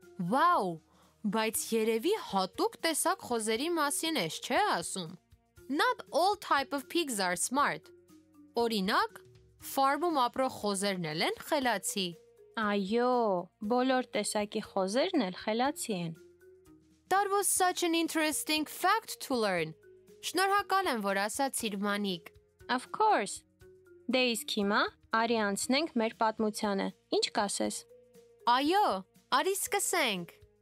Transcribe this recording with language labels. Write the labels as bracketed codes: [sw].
[hy] Վաո, բայց երևի հատուկ տեսակ խոզերի մասին ես, չէ ասում։ [en] Not all type of pigs are smart. [hy] Օրինակ, ֆարմում ապրող խոզերն էլ են խելացի։ Այո, բոլոր տեսակի խոզերն էլ խելացի են։ [en] That was such an interesting fact to learn. [hy] Շնորհակալ եմ, որ ասացիր, Մանիկ. [en] Of course. [hy] Դե իսկ հիմա, արի անցնենք մեր պատմությանը. Ինչ կասես? Այո, արի սկսենք.